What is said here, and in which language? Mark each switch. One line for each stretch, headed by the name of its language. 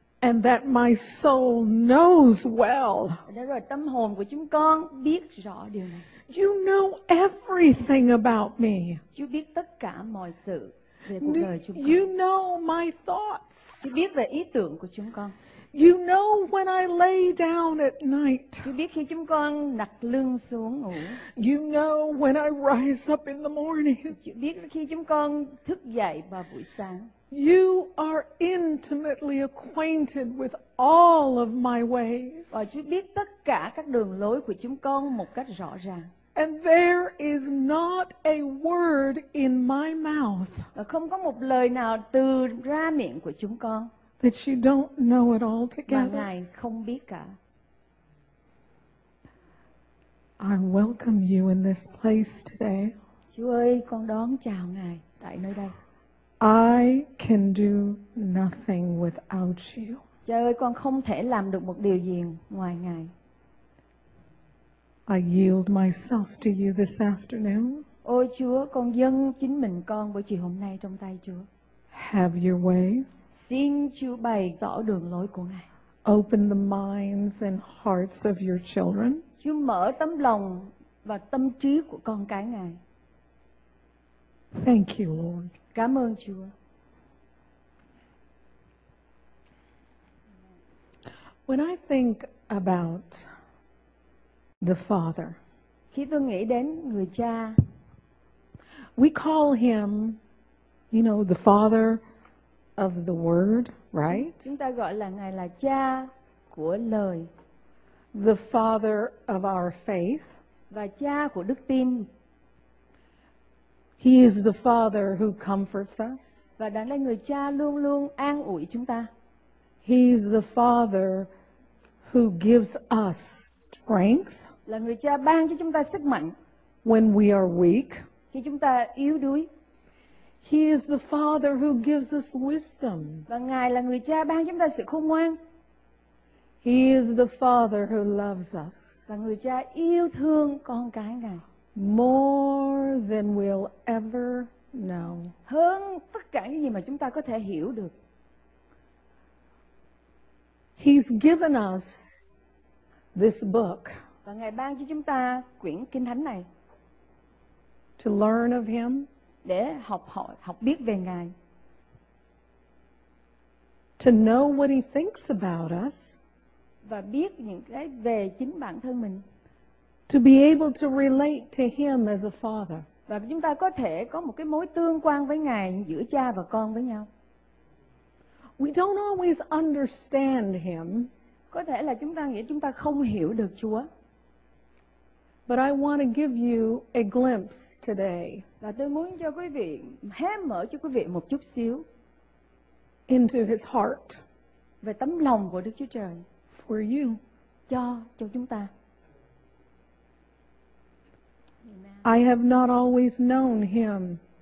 English: And that my soul knows well.
Vietnamese: Đã rồi, tâm hồn của chúng con biết rõ điều này.
English: You know everything about me.
Vietnamese: Chúa biết tất cả mọi sự về cuộc đời chúng con.
English: You know my thoughts.
Vietnamese: Chúa biết về ý tưởng của chúng con.
English: You know when I lay down at night.
Vietnamese: Chúa biết khi chúng con đặt lưng xuống ngủ.
English: You know when I rise up in the morning.
Vietnamese: Chúa biết khi chúng con thức dậy vào buổi sáng.
English: You are intimately acquainted with all of my ways.
Vietnamese: Và Chúa biết tất cả các đường lối của chúng con một cách rõ ràng.
English: And there is not a word in my mouth.
Vietnamese: Và không có một lời nào từ ra miệng của chúng con
English: that you don't know it all together.
Vietnamese: Mà Ngài không biết cả.
English: I welcome you in this place today.
Vietnamese: Chúa ơi, con đón chào Ngài tại nơi đây.
English: I can do nothing without you.
Vietnamese: Trời ơi, con không thể làm được một điều gì ngoài Ngài.
English: I yield myself to you this afternoon.
Vietnamese: Ôi Chúa, con dâng chính mình con buổi chiều hôm nay trong tay Chúa.
English: Have your way.
Vietnamese: Xin Chúa bày tỏ đường lối của Ngài.
English: Open the minds and hearts of your children.
Vietnamese: Chúa mở tấm lòng và tâm trí của con cái Ngài.
English: Thank you, Lord.
Vietnamese: Cảm ơn Chúa.
English: When I think about the Father,
Vietnamese: khi tôi nghĩ đến người Cha,
English: we call him, you know, the Father of the Word, right?
Vietnamese: Chúng ta gọi là Ngài là Cha của lời.
English: The Father of our faith.
Vietnamese: Và Cha của đức tin.
English: He is the Father who comforts us.
Vietnamese: Và đáng lẽ người Cha luôn luôn an ủi chúng ta.
English: He is the Father who gives us strength.
Vietnamese: Là người Cha ban cho chúng ta sức mạnh.
English: When we are weak.
Vietnamese: Khi chúng ta yếu đuối.
English: He is the Father who gives us wisdom.
Vietnamese: Và Ngài là người Cha ban chúng ta sự khôn ngoan.
English: He is the Father who loves us.
Vietnamese: Là người Cha yêu thương con cái Ngài.
English: More than we'll ever know.
Vietnamese: Hơn tất cả những gì mà chúng ta có thể hiểu được.
English: He's given us this book.
Vietnamese: Và Ngài ban cho chúng ta quyển Kinh Thánh này.
English: To learn of him.
Vietnamese: Để học hỏi, học biết về Ngài.
English: To know what he thinks about us.
Vietnamese: Và biết những cái về chính bản thân mình.
English: To be able to relate to him as a father.
Vietnamese: Và chúng ta có thể có một cái mối tương quan với Ngài giữa cha và con với nhau.
English: We don't always understand him.
Vietnamese: Có thể là chúng ta nghĩ chúng ta không hiểu được Chúa.
English: But I want to give you a glimpse today.
Vietnamese: Và tôi muốn cho quý vị hé mở cho quý vị một chút xíu.
English: Into his heart.
Vietnamese: Về tấm lòng của Đức Chúa Trời.
English: For you.
Vietnamese: Cho chúng ta.
English: I have not always known him.